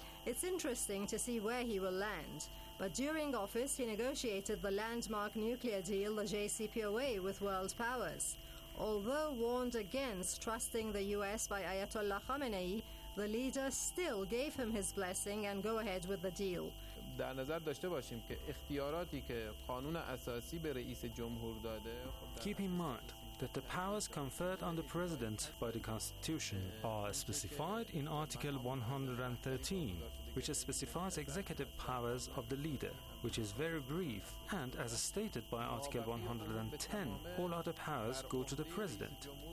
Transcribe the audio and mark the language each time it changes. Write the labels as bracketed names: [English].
[English] It's interesting to see where he will land. But during office, he negotiated the landmark nuclear deal, the JCPOA, with world powers. Although warned against trusting the U.S. by Ayatollah Khamenei, the leader still gave him his blessing and go ahead with the deal. [Persian] در نظر داشته باشیم که اختیاراتی که قانون اساسی به رئیس جمهور داده [English] Keep in mind that the powers conferred on the president by the constitution are specified in Article 113, which specifies executive powers of the leader, which is very brief, and as stated by Article 110, all other powers go to the president.